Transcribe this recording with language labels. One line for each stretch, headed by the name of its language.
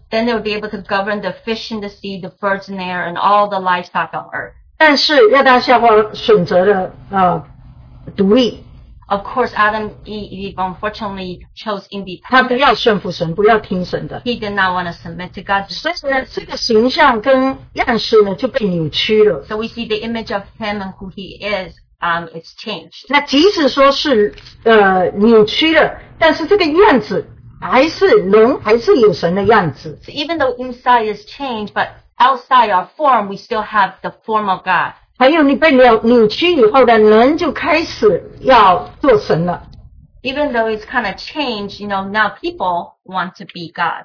English: Then they will be able to govern the fish in the sea, the birds in the air, and all the livestock on earth.
Chinese: 但是亚当夏娃选择了独立.
English: Of course, Adam and Eve unfortunately chose independence.
Chinese: 他不要顺服神,不要听神的。
English: He did not want to submit to God.
Chinese: 所以这个形象跟样式呢,就被扭曲了。
English: So we see the image of him and who he is, it's changed.
Chinese: 那即使说是扭曲了,但是这个样子还是人,还是有神的样子。
English: So even though inside is changed, but outside our form, we still have the form of God.
Chinese: 还有你被扭曲以后的人就开始要做神了。
English: Even though it's kind of changed, you know, now people want to be God.